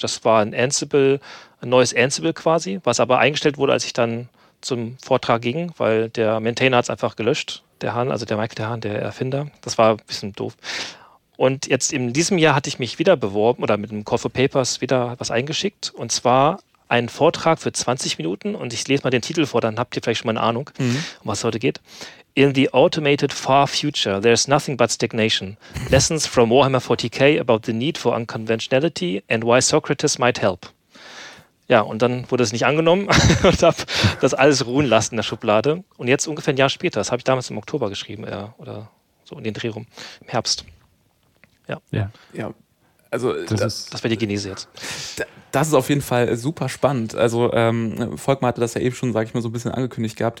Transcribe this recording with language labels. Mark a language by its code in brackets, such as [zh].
[de] Das war ein neues Ansible quasi, was aber eingestellt wurde, als ich dann zum Vortrag ging, weil der Maintainer hat es einfach gelöscht, der Michael Hahn, der Erfinder. Das war ein bisschen doof. Und jetzt in diesem Jahr hatte ich mich wieder beworben oder mit einem Call for Papers wieder was eingeschickt, und zwar einen Vortrag für 20 Minuten, und ich lese mal den Titel vor, dann habt ihr vielleicht schon mal eine Ahnung, um was es heute geht. [en] In the automated far future, there's nothing but stagnation. Lessons from Warhammer 40k about the need for unconventionality and why Socrates might help. [de] Ja, und dann wurde es nicht angenommen und habe das alles ruhen lassen in der Schublade. Und jetzt ungefähr ein Jahr später, das habe ich damals im Oktober geschrieben, oder so in den Dreh rum, im Herbst. Ja. Also das wäre die Genese jetzt. das ist auf jeden Fall super spannend. Also Volkmar hatte das ja eben schon, sage ich mal, so ein bisschen angekündigt gehabt.